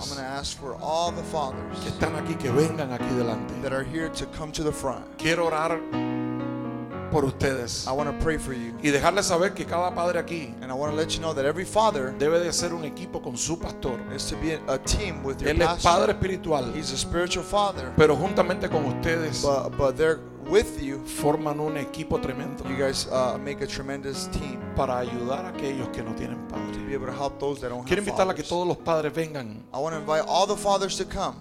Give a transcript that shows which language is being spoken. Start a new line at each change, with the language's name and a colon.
English: I'm going to ask for all the fathers,
Spanish: que están aquí, que vengan aquí delante,
English: that are here to come to the front.
Spanish: Quiero orar por ustedes.
English: I want to pray for you.
Spanish: Y dejarles saber que cada padre aquí,
English: and I want to let you know that every father
Spanish: debe de ser un equipo con su pastor.
English: Is to be a team with your
Spanish: él
English: pastor.
Spanish: Él es padre espiritual.
English: He's a spiritual father.
Spanish: Pero juntamente con ustedes,
English: but they're with you,
Spanish: forman un equipo tremendo.
English: You guys make a tremendous team.
Spanish: Para ayudar a aquellos que no tienen padre.
English: To be able to help those that don't
Spanish: quiero
English: have
Spanish: invitarle
English: fathers.
Spanish: A que todos los padres vengan.
English: I want to invite all the fathers to come.